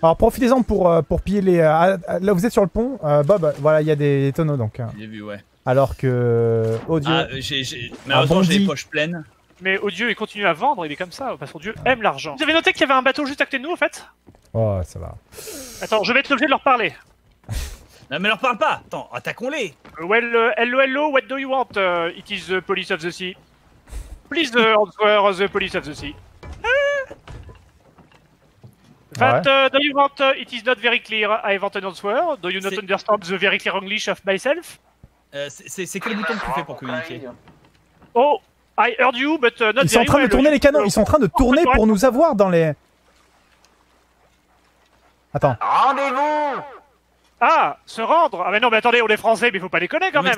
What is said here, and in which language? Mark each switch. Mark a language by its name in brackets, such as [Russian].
[French] Alors, profitez-en pour piller les. Là, vous êtes sur le pont, Bob, voilà, il y a des tonneaux donc. J'ai vu, ouais. Alors que. Oh Dieu. Ah, j'ai... Malheureusement, j'ai les poches pleines. Mais Odieux, il continue à vendre, il est comme ça, parce que Odieux aime l'argent. Vous avez noté qu'il y avait un bateau juste à côté de nous, en fait? Oh, ça va. Attends, je vais être obligé de leur parler. Non, mais leur parle pas. Attends, attaquons-les. [English] Well, hello, hello, what do you want? It is the police of the sea. Please answer the police of the sea. But ouais. Do you want... it is not very clear, I want an answer. Do you not understand the very clear English of myself? [French] C'est quel bouton que tu fais pour communiquer? [English] Oh, I heard you, but not [French] ils sont [English] very [French] en train [English] well. [French] De tourner les canons, ils sont en train de tourner pour nous avoir dans les... Attends. Rendez-vous! Ah, se rendre! Ah, mais non, mais attendez, on est français, mais faut pas déconner quand non, même!